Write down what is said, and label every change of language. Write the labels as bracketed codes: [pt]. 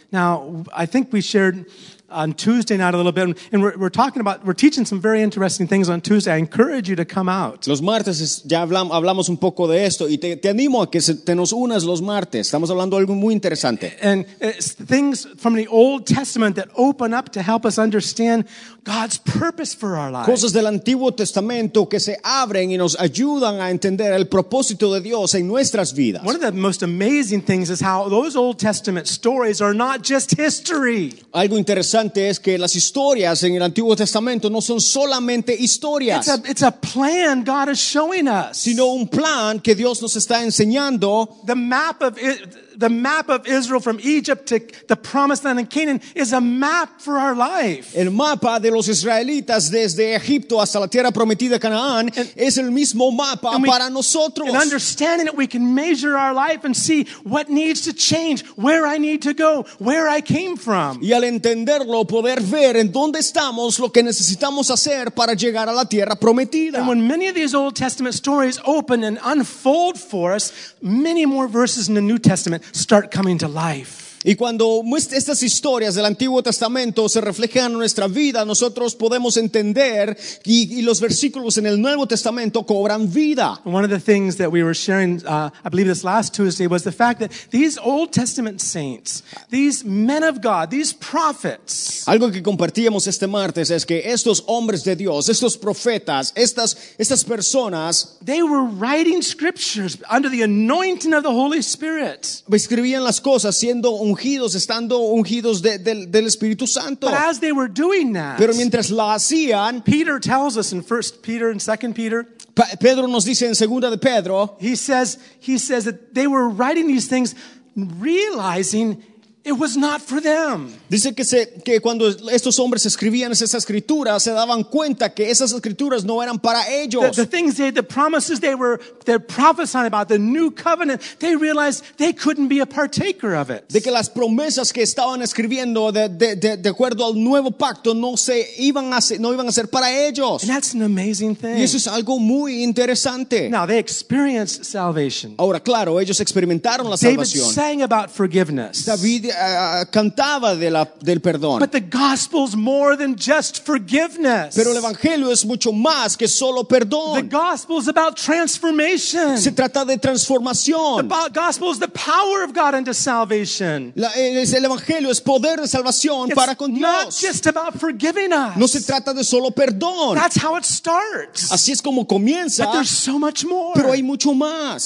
[en] Now, I think we shared on Tuesday night a little bit, and we're teaching some very interesting things on Tuesday. I encourage you to come out. [es] Los martes ya hablamos un poco de esto, y te animo a que te nos unas los martes. Estamos hablando de algo muy interesante. [en] And it's things from the Old Testament that open up to help us understand God's purpose for our lives. [es] Cosas del Antiguo Testamento que se abren y nos ayudan a entender el propósito de Dios en nuestras vidas. [en] One of the most amazing things is how those Old Testament stories are not just history. [es] Algo interesante es que las historias en el Antiguo Testamento no son solamente historias. [en] It's a plan God is showing us. [es] Sino un plan que Dios nos está enseñando. [en] The map of Israel from Egypt to the Promised Land in Canaan is a map for our life. [es] El mapa de los israelitas desde Egipto hasta la tierra prometida Canaán es el mismo mapa para nosotros. [en] And understanding it, we can measure our life and see what needs to change, where I need to go, where I came from. [es] Y al entenderlo, poder ver en dónde estamos, lo que necesitamos hacer para llegar a la tierra prometida. [en] And when many of these Old Testament stories open and unfold for us, many more verses in the New Testament start coming to life. [es] Y cuando estas historias del Antiguo Testamento se reflejan en nuestra vida, nosotros podemos entender y los versículos en el Nuevo Testamento cobran vida. [en] One of the things that we were sharing, I believe this last Tuesday, was the fact that these Old Testament saints, these men of God, these prophets. [es] Algo que compartíamos este martes es que estos hombres de Dios, estos profetas, estas personas, [en] they were writing scriptures under the anointing of the Holy Spirit. [es] Escribían las cosas siendo ungidos, estando ungidos del Espíritu Santo. [en] But as they were doing that, [es] pero mientras lo hacían, [en] Peter tells us in 1 Peter and 2 Peter, [es] Pedro nos dice en segunda de Pedro, [en] he says that they were writing these things realizing It was not for them. [es] Dice que cuando estos hombres escribían esas escrituras, se daban cuenta que esas escrituras no eran para ellos. [en] The things they, the promises they're prophesying about, the new covenant, they realized they couldn't be a partaker of it. [es] De que las promesas que estaban escribiendo de acuerdo al nuevo pacto no iban a ser para ellos. [en] And that's an amazing thing. [es] Y eso es algo muy interesante. [en] Now they experienced salvation. [es] Ahora claro, ellos experimentaron la salvación. [en] David sang about forgiveness. [es] Cantaba del perdón. [en] But the gospel's more than just forgiveness. [es] Pero el evangelio es mucho más que solo perdón. [en] The gospel's about transformation. [es] Se trata de transformación. [en] The gospel is the power of God unto salvation. [es] El evangelio es poder de salvación [en] it's [es] para con Dios. [en] Not just about forgiving us. [es] No se trata de solo perdón. [en] That's how it starts. [es] Así es como comienza. [en] But there's so much more. [es] Pero hay mucho más.